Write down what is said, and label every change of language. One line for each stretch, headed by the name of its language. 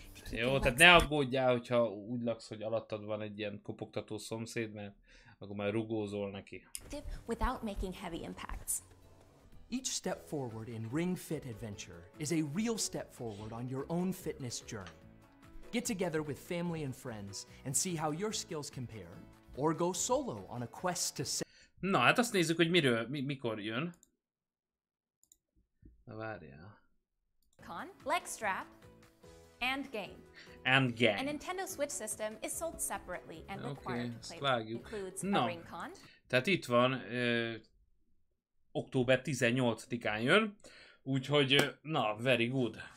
Hungarian: Jó, tehát ne aggódjál, hogyha úgy laksz, hogy alattad van egy ilyen kopogtató szomszéd, mert akkor már rugózol neki.
English: Without making heavy impacts. Each step forward in Ring Fit Adventure is a real step forward on your own fitness journey. Get together with family and friends and see how your skills compare, or go solo on a quest to...
Hungarian: Na, hát azt nézzük, hogy miről, mikor jön. Na, várjál.
English: Con, leg strap, and game. And game. A Nintendo Switch system is sold separately and required to play. Includes a Ring Con.
Hungarian: Tehát itt van, október 18-án jön, úgyhogy, na,
English: very good.